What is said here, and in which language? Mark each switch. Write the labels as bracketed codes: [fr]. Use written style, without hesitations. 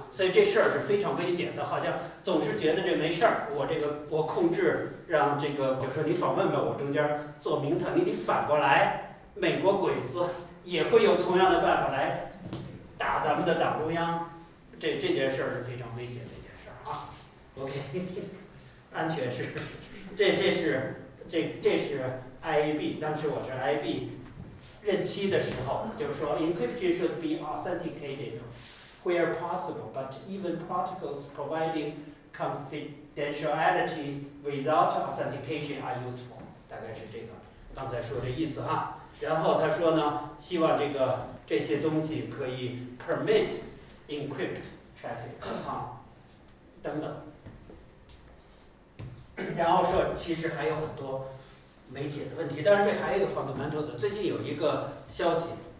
[zh] 所以这事儿是非常危险的，好像总是觉得这没事儿，我这个我控制让这个，比如说你访问吧，我中间做名堂，你反过来，美国鬼子也会有同样的办法来打咱们的党中央，这件事儿是非常危险的一件事儿啊。 OK， 安全是，这是 IAB， 当时我是 IAB。任期的时候就是说 [en] encryption should be authenticated where possible, but even protocols providing confidentiality without authentication are useful, [zh] 大概是这个刚才说的意思哈。然后他说呢，希望这些东西可以 [en] permit encrypt traffic [zh] 哈等等。然后说其实还有很多没解的问题，当然这还有一个 fundamental 的。最近有一个消息，